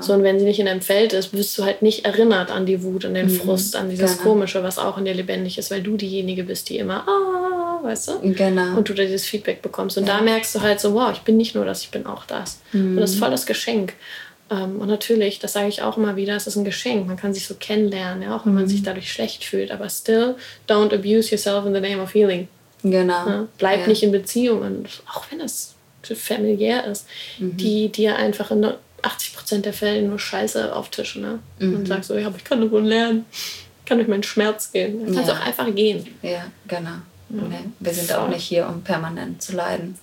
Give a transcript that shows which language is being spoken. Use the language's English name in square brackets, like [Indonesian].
[German] So, und wenn sie nicht in deinem Feld ist, wirst du halt nicht erinnert an die Wut, an den, mm, Frust, an dieses, genau, Komische, was auch in dir lebendig ist, weil du diejenige bist, die immer, weißt du? Genau. Und du da dieses Feedback bekommst. Und, ja, da merkst du halt so, wow, ich bin nicht nur das, ich bin auch das. Mm. Und das ist voll das Geschenk. Und natürlich, das sage ich auch immer wieder, es ist ein Geschenk. Man kann sich so kennenlernen, ja, auch wenn, mhm, man sich dadurch schlecht fühlt. Aber [English] still, don't abuse yourself in the name of healing. [German] Genau. Ja, bleib, ja, nicht in Beziehungen, auch wenn es familiär ist, mhm, die dir einfach in 80% der Fälle nur Scheiße auftischen. Ne? Mhm. Und sagst so, ja, aber ich kann davon lernen. Ich kann durch meinen Schmerz gehen. Dann kannst, ja, auch einfach gehen. Ja, genau. Mhm. Nee, wir sind, voll, auch nicht hier, um permanent zu leiden.